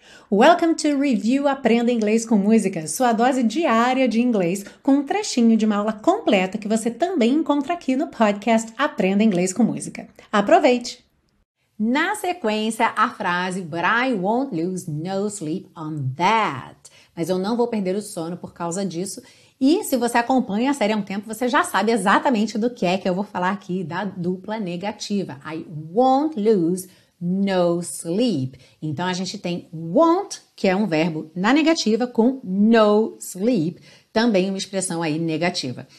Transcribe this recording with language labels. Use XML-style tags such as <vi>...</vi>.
<en>Welcome to</en> <pt>Review Aprenda Inglês com Música, sua dose diária de inglês, com um trechinho de uma aula completa que você também encontra aqui no podcast Aprenda Inglês com Música. Aproveite! Na sequência, a frase,</pt> <en>but I won't lose no sleep on that.</en> <pt>Mas eu não vou perder o sono por causa disso. E se você acompanha a série há um tempo, você já sabe exatamente do que eu vou falar aqui da dupla negativa.</pt> <en>I won't lose no sleep.</en> <pt>Então a gente tem won't, que é um verbo na negativa, com no sleep, também uma expressão aí negativa.</pt>